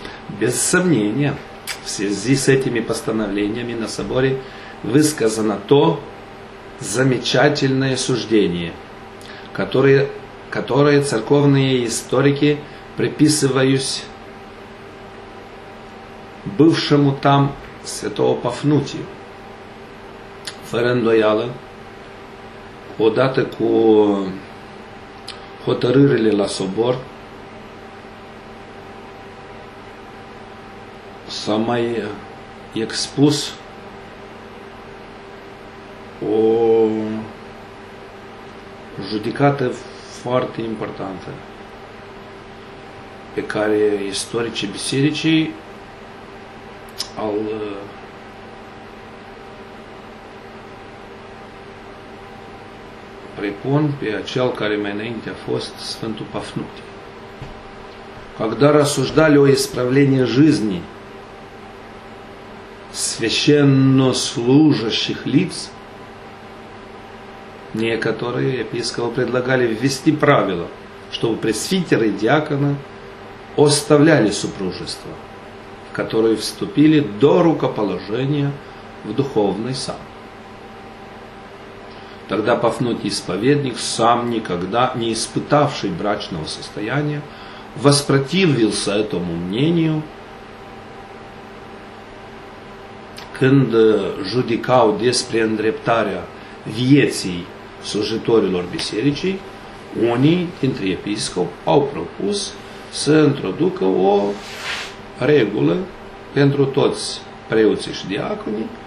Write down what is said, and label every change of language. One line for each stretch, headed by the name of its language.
Russian: Без сомнения, в связи с этими постановлениями на соборе высказано то замечательное суждение, которые церковные историки приписывают бывшему там святого Пафнутию.
Romanian: Фără îndoială, odată cu hotărârile la sobor, s-a mai expus o judecată foarte importantă, pe care istoricii bisericii prepun pe acel care mai înainte a fost Sfântul Pafnut.
Russian: Когда рассуждали о исправлении жизни священнослужащих лиц, некоторые епископы предлагали ввести правило, чтобы пресвитеры и диаконы оставляли супружество, в которое вступили до рукоположения в духовный сан. Тогда Пафнутий исповедник, сам никогда не испытавший брачного состояния, воспротивился этому мнению,
Romanian: когда judecau despre îndreptarea vieții slujitorilor bisericii, unii dintre episcopi au propus să introducă o regulă pentru toți preoții și diaconii